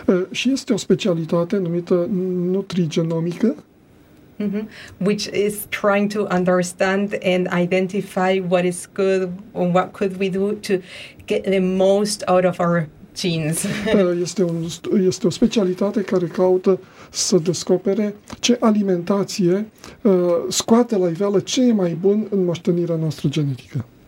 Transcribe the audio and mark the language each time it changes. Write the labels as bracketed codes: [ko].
[ro] Și este o specialitate numită nutrigenomică, [en] which is trying to understand and identify what is good and what could we do to get the most out of our genes. [ro] Este o specialitate care caută să descopere ce alimentație scoate la iveală ce e mai bun în moștenirea noastră genetică.